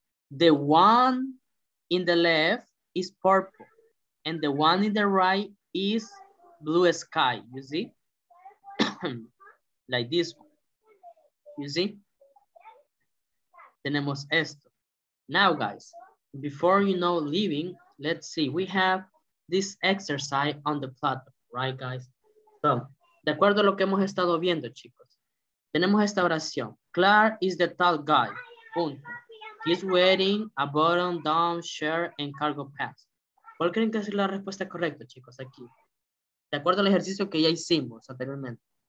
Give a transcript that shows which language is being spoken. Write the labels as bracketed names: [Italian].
[English] The one in the left is purple and the one in the right is blue sky, you see? Like this one, you see? [Spanish] Tenemos esto. [English] Now guys, before you know leaving, let's see, we have this exercise on the platform, right guys? [Spanish] So, de acuerdo a lo que hemos estado viendo, chicos, tenemos esta oración. [English] Clark is the tall guy, [Spanish] punto. [English] He's wearing a button-down shirt and cargo pants. [Spanish] ¿Cuál creen que es la respuesta correcta, chicos, aquí? De acuerdo al ejercicio que ya hicimos anteriormente.